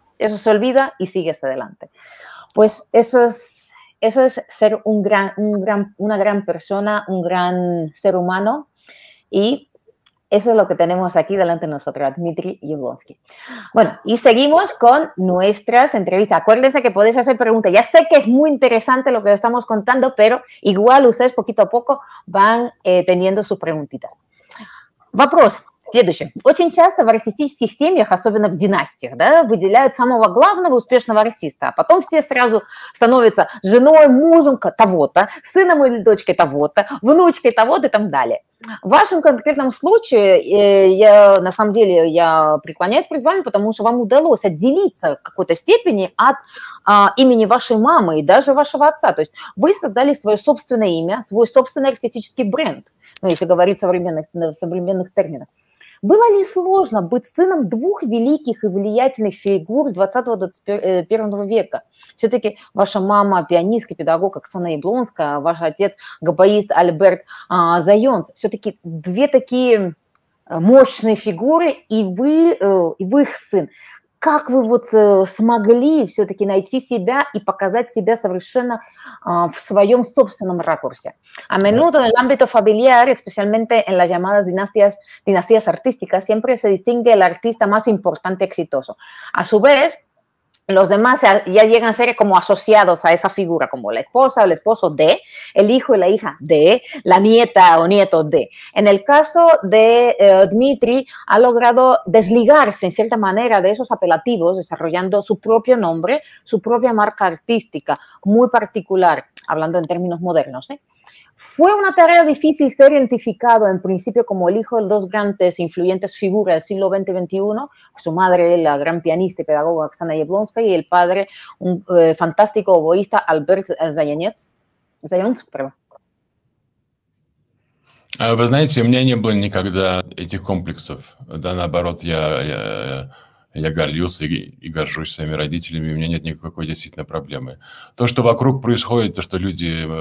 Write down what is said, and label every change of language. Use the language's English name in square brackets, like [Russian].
[Spanish] Eso se olvida y sigue hacia adelante. Pues eso es ser una gran persona, un gran ser humano, y eso es lo que tenemos aquí delante de nosotros, Dmitri Jablonski. Bueno, y seguimos con nuestras entrevistas. Acuérdense que podéis hacer preguntas. Ya sé que es muy interesante lo que estamos contando, pero igual ustedes poquito a poco van teniendo sus preguntitas. [Russian] Вопрос. Следующее. Очень часто в артистических семьях, особенно в династиях, да, выделяют самого главного успешного артиста, а потом все сразу становятся женой, мужем того-то, сыном или дочкой того-то, внучкой того-то и так далее. В вашем конкретном случае, я преклоняюсь перед вами, потому что вам удалось отделиться в какой-то степени от имени вашей мамы и даже вашего отца. То есть вы создали свое собственное имя, свой собственный артистический бренд, ну, если говорить в современных терминах. Было ли сложно быть сыном двух великих и влиятельных фигур 20-21 века? Все-таки ваша мама – пианистка, педагог Оксана Яблонская, ваш отец – габаист Альберт Зайонц. Все-таки две такие мощные фигуры, и вы их сын. Как вы вот смогли все-таки найти себя и показать себя совершенно в своем собственном ракурсе? [Spanish] A menudo en el ámbito familiar, especialmente en las llamadas dinastías artísticas, siempre se distingue el artista más importante y exitoso. A su vez, los demás ya llegan a ser como asociados a esa figura, como la esposa o el esposo de, el hijo y la hija de, la nieta o nieto de. En el caso de Dmitri, ha logrado desligarse en cierta manera de esos apelativos, desarrollando su propio nombre, su propia marca artística, muy particular, hablando en términos modernos, ¿eh? ¿Fue una tarea difícil ser identificado en principio como el hijo de dos grandes influyentes figuras del siglo XX y XXI? Su madre, la gran pianista y pedagoga Oksana Jablonska, y el padre, un fantástico oboísta, Альберт Зайонц. Зайонц, perdón. [Russian] Вы знаете, у меня не было никогда этих комплексов. Да, наоборот, я горжусь и горжусь своими родителями, у меня нет никакой действительно проблемы. То, что вокруг происходит, то, что люди...